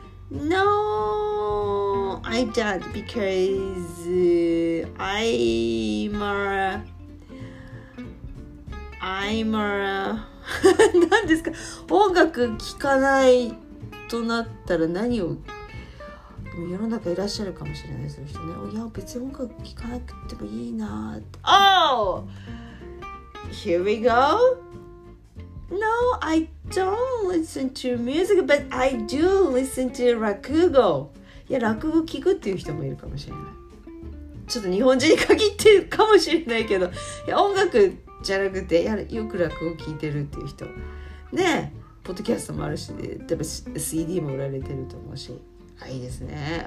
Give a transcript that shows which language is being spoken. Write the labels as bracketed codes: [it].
[en] No, I don't because I'm a [ja] 何ですか、音楽聴かないとなったら何を。でも世の中いらっしゃるかもしれないですよね。いや別に音楽聴かなくてもいいなーって。 [en] Oh! Here we go! No, I don't listen to music, but I do listen to 落語。 [ja] いや落語聴くっていう人もいるかもしれない。ちょっと日本人に限ってるかもしれないけど、いや音楽じゃなくて、やよく楽を聴いてるっていう人ね。ポッドキャストもあるし、ね、でも CD も売られてると思うし、はい、いいですね。